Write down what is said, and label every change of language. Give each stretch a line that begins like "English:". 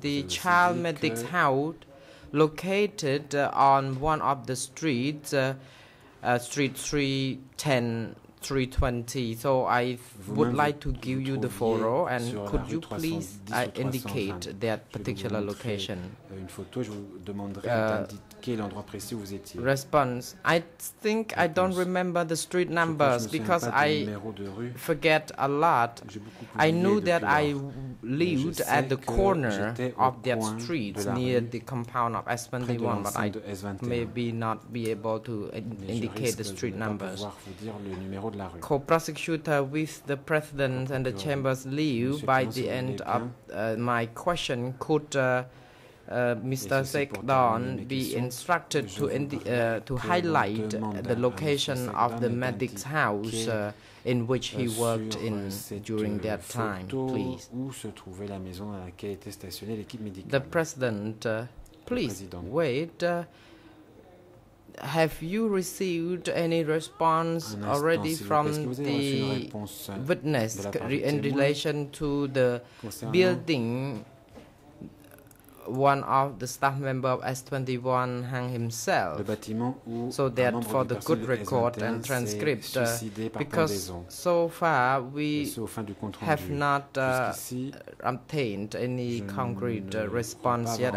English: the child medic's house located on one of the streets, street 310, 320. So I would like to give you the photo, and could you please indicate that particular location?
French: Une photo, je vous demanderai quel endroit précis vous étiez.
English: Response. I think I don't remember the street numbers because I forget a lot. I knew that I lived at the corner of that street near the compound of S21, but I may be not be able to indicate the street numbers. Co-prosecutor, with the president and the chambers leave by the end of my question, could Mr. Sekdon be instructed to to highlight the location of the medic's house in which he worked in during that time, please.
French: Où se trouvait la maison dans laquelle était stationnée l'équipe médicale.
English: The president, please wait. Have you received any response already from the witness in relation to the building? One of the staff members of S21 hung himself, so that for the good record and transcript, because so far we have not obtained any concrete response yet.